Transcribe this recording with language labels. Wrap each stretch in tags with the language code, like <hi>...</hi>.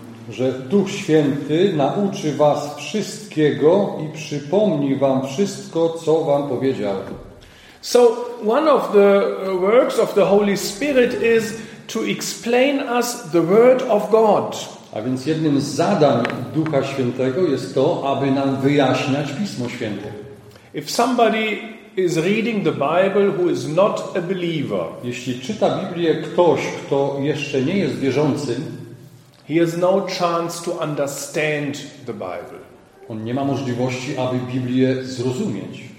<pl>Że Duch Święty nauczy was wszystkiego i przypomni wam wszystko, co wam powiedział.</pl> <en>So one of the works of the Holy Spirit is to explain us the Word of God.</en> <pl>A więc jednym z zadań Ducha Świętego jest to, aby nam wyjaśniać Pismo Święte.</pl> <en>If somebody is reading the Bible who is not a believer.</en> <pl>Jeśli czyta Biblię ktoś, kto jeszcze nie jest wierzącym,</pl> <en>he has no chance to understand the Bible.</en> <pl>On nie ma możliwości, aby Biblię zrozumieć.</pl>